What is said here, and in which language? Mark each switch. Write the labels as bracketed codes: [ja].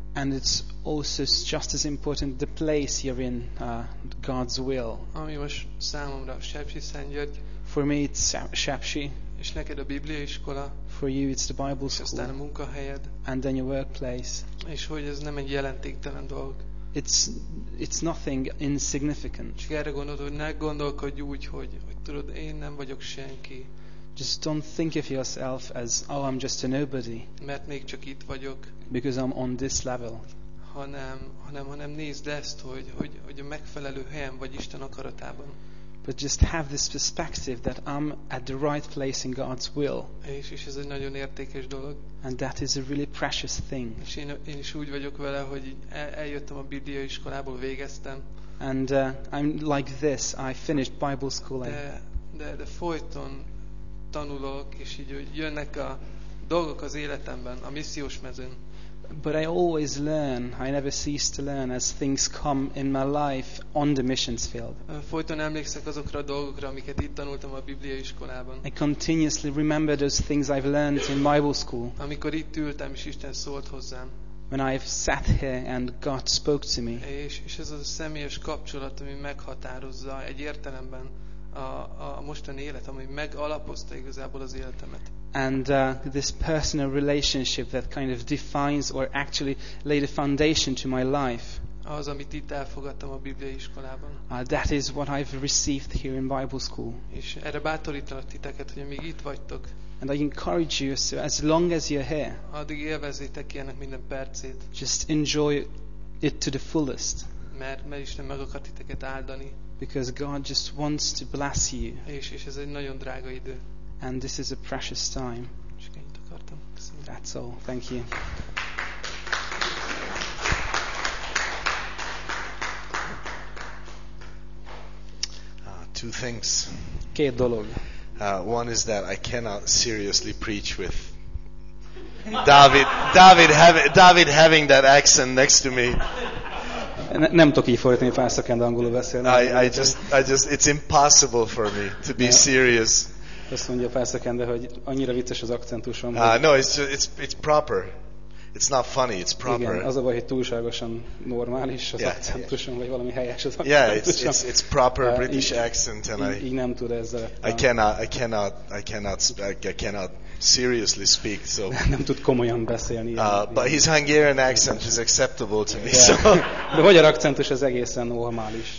[en] And it's also just as important the place you're in, God's will. [hu] Ami most számomra Sepsi Szent György. [en] For me it's Sepsi. [hu] És neked a Biblia iskola. [en] For you it's the Bible school. [hu] És aztán a munkahelyed. [en] And then your workplace. [hu] És hogy ez nem egy jelentéktelen dolog. [en] It's nothing insignificant. [hu] Csak erre gondolod, hogy ne gondolkodj úgy, hogy tudod, én nem vagyok senki. [en] Just don't think of yourself as, oh, I'm just a nobody. [hu] Mert még csak itt vagyok. [en] Because I'm on this level. [hu] Hanem nézd ezt, hogy a megfelelő helyen vagy Isten akaratában. [en] But just have this perspective that I'm at the right place in God's will. [hu] És ez egy nagyon értékes dolog. [en] And that is a really precious thing. [hu] És én is úgy vagyok vele, hogy eljöttem a Biblia iskolából, végeztem. [en] And I'm like this, I finished Bible schooling. [hu] De folyton tanulok, és így jönnek a dolgok az életemben, a missziós mezőn. [en] But I always learn, I never cease to learn as things come in my life on the missions field. [hu] Folyton emlékszek azokra a dolgokra, amiket itt tanultam a Biblia iskolában. [en] I continuously remember those things I've learned in Bible school. [hu] Amikor itt ültem, és Isten szólt hozzám. [en] When I've sat here and God spoke to me. [hu] És ez az a személyes kapcsolat, ami meghatározza egy értelemben a mostani életem, ami megalapozta igazából az életemet. [en] And this personal relationship that kind of defines or actually laid a foundation to my life. [hu] Az, amit itt elfogadtam a Biblia iskolában. [en] That is what I've received here in Bible school. [hu] És erre bátorítanak titeket, hogy még itt vagytok. [en] And I encourage you, so as long as you're here. [hu] Addig élvezzétek ennek minden percét. [en] Just enjoy it to the fullest. [hu] Mert Isten meg akar titeket áldani. [en] Because God just wants to bless you. [hu] És ez egy nagyon drága idő. [en] And this is a precious time. [hu] Csak ennyit akartam. Köszönöm. [en] That's all. Thank you. Two things. [hu] Két dolog. [en] One is that I cannot seriously preach with David having that accent next to me. [hu] Nem tudok így fordítani, hogy felszakend angolul beszélni. [en] I just, it's impossible for me to be serious. [hu] Azt mondja felszakende, hogy annyira vicces az akcentusom. [en] No, it's proper. It's not funny, it's proper. [hu] Igen, az a baj, hogy túlságosan normális az akcentusom, vagy valami helyes az akcentusom. [en] Yeah, it's proper British accent, and [hu] így nem tud ezzel. [en] I cannot seriously speak, so. [hu] Nem tud komolyan beszélni. [en] But his Hungarian accent is acceptable to me, so. [hu] De a magyar akcentus az egészen normális.